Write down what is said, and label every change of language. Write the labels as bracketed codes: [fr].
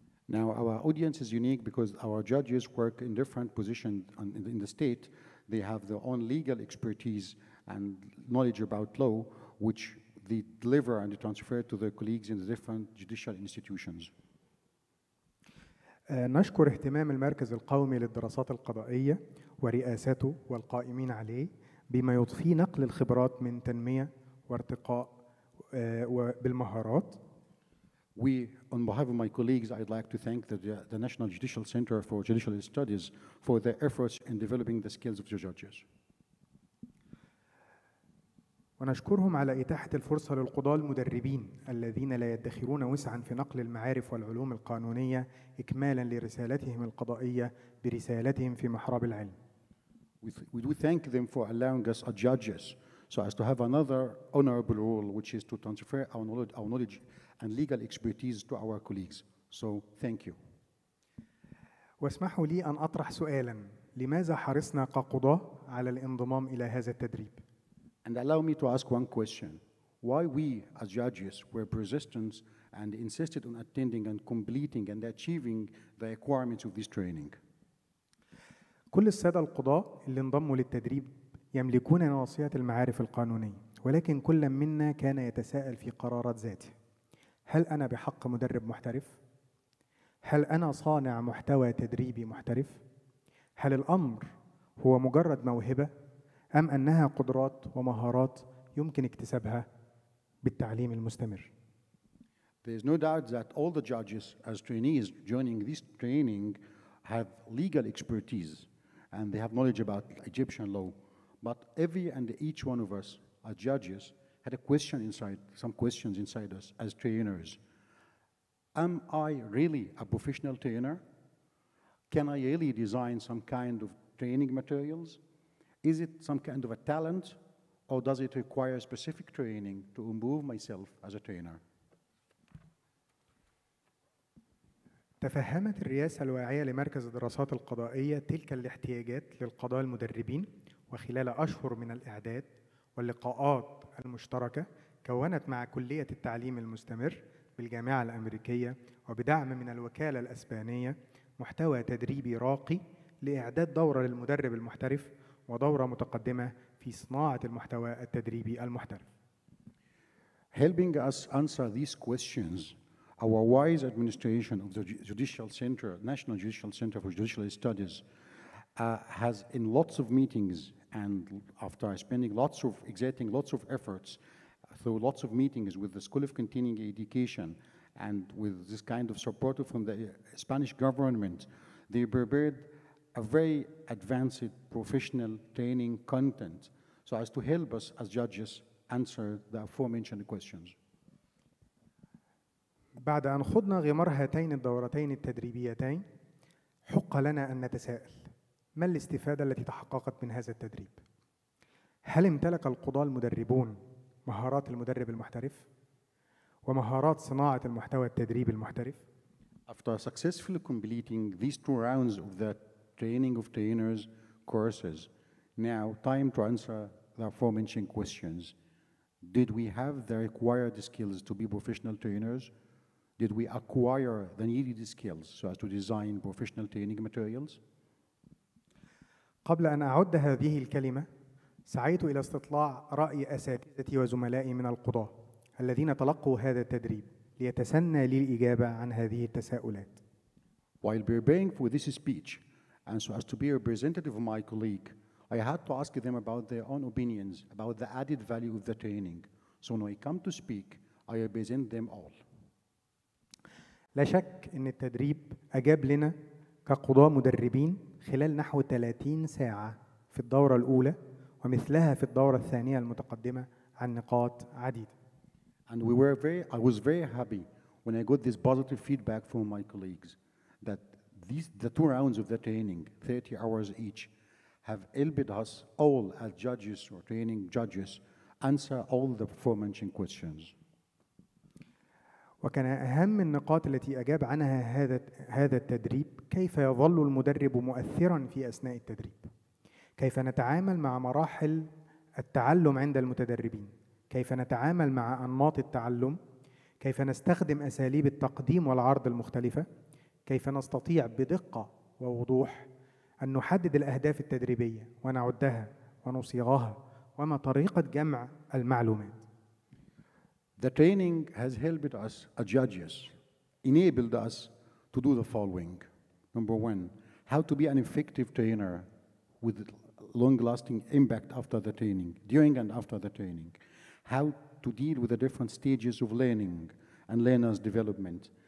[en] Now our audience is unique because our judges work in different positions in the state. They have their own legal expertise and knowledge about law, which they deliver and they transfer to their colleagues in the different judicial institutions. [ar] نشكر اهتمام المركز القومي للدراسات القضائية ورئاسته والقائمين عليه بما يضفي نقل الخبرات من تنمية وارتقاء بالمهارات. [en] We, on behalf of my colleagues, I'd like to thank the National Judicial Center for Judicial Studies for their efforts in developing the skills of the judges. [ar] ونشكرهم على إتاحة الفرصة للقضاة المدربين الذين لا يدخرون وسعا في نقل المعارف والعلوم القانونية إكمالا لرسالتهم القضائية برسالتهم في محراب العلم. [en] We do thank them for allowing us as judges so as to have another honorable role, which is to transfer our knowledge and legal expertise to our colleagues. So thank you. [ar] واسمحوا لي أن أطرح سؤالا، لماذا حرصنا كقضاة على الانضمام إلى هذا التدريب؟ [en] And allow me to ask one question. Why we as judges were persistent and insisted on attending and completing and achieving the requirements of this training? [ar] كل السادة القضاء اللي انضموا للتدريب يملكون نواصية المعارف القانونية، ولكن كل منا كان يتساءل في قرارات ذاته: هل أنا بحق مدرب محترف؟ هل أنا صانع محتوى تدريبي محترف؟ هل الأمر هو مجرد موهبة؟ أم أنها قدرات ومهارات يمكن اكتسابها بالتعليم المستمر؟ [en] There is no doubt that all the judges as trainees joining this training have legal expertise and they have knowledge about Egyptian law. But every and each one of us as judges had a question inside, some questions inside us as trainers. Am I really a professional trainer? Can I really design some kind of training materials? Is it some kind of a talent, or does it require specific training to improve myself as a trainer? [ar] تفهمت الرئاسة الواعية لمركز الدراسات القضائية تلك الاحتياجات للقضاء المدربين، وخلال أشهر من الإعداد واللقاءات المشتركة كونت مع كلية التعليم المستمر بالجامعة الأمريكية وبدعم من الوكالة الأسبانية محتوى تدريبي راقي لإعداد دورة للمدرب المحترف ودورة متقدمة في صناعة المحتوى التدريبي المحترف. [en] Helping us answer these questions, our wise administration of the Judicial Center, National Judicial Center for Judicial Studies, has in lots of meetings and after spending exerting lots of efforts through lots of meetings with the School of Continuing Education and with this kind of support from the Spanish government, they prepared a very advanced professional training content so as to help us as judges answer the aforementioned questions. [ar] بعد أن خضنا غمار هاتين الدورتين التدريبيتين، حق لنا أن نتساءل: ما الاستفادة التي تحققت من هذا التدريب؟ هل امتلك القضاة المدربون مهارات المدرب المحترف ومهارات صناعة المحتوى التدريبي المحترف؟ [en] After successfully completing these two rounds of the training of trainers courses, now time to answer the aforementioned questions. Did we have the required skills to be professional trainers? Did we acquire the needed skills so as to design professional training materials? [ar] قبل أن أعد هذه الكلمة، سعيت إلى استطلاع رأي أساتذتي وزملائي من القضاء الذين تلقوا هذا التدريب ليتسنى لي الإجابة عن هذه التساؤلات. [en] While preparing for this speech, and so as to be representative of my colleague, I had to ask them about their own opinions about the added value of the training. So when I come to speak, I represent them all. [ar] لا شك إن التدريب أجاب لنا كقضاء مدربين خلال نحو 30 ساعة في الدورة الأولى ومثلها في الدورة الثانية المتقدمة عن نقاط عديدة. [en] And we were I was very happy when I got this positive feedback from my colleagues that the two rounds of the training, 30 hours each, have helped us all as judges or training judges answer all the aforementioned questions. [ar] وكان أهم النقاط التي أجاب عنها هذا التدريب كيف يظل المدرب مؤثراً في أثناء التدريب؟ كيف نتعامل مع مراحل التعلم عند المتدربين؟ كيف نتعامل مع أنماط التعلم؟ كيف نستخدم أساليب التقديم والعرض المختلفة؟ كيف نستطيع بدقة ووضوح أن نحدد الأهداف التدريبية ونعدها ونصيغها وما طريقة جمع المعلومات؟ [en] The training has helped us as judges, enabled us to do the following. Number one, how to be an effective trainer with long-lasting impact after the training, during and after the training. How to deal with the different stages of learning and learners' development.